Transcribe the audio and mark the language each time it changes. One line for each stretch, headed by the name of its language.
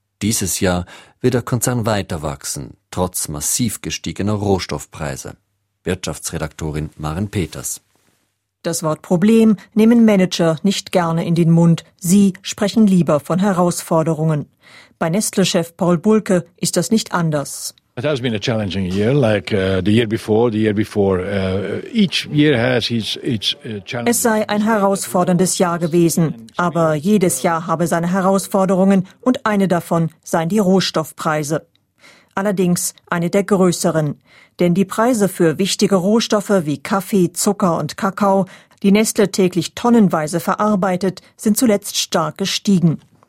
German: Dieses Jahr wird der Konzern weiter wachsen, trotz massiv gestiegener Rohstoffpreise. Wirtschaftsredaktorin Maren Peters. Das Wort Problem nehmen Manager nicht gerne in den Mund. Sie sprechen lieber von Herausforderungen. Bei Nestlé-Chef Paul Bulcke ist das nicht anders.
English: It has been a challenging year, like the year before. Each year has its challenges.
German: Es sei ein herausforderndes Jahr gewesen, aber jedes Jahr habe seine Herausforderungen und eine davon seien die Rohstoffpreise. Allerdings eine der größeren, denn die Preise für wichtige Rohstoffe wie Kaffee, Zucker und Kakao, die Nestlé täglich tonnenweise verarbeitet, sind zuletzt stark gestiegen.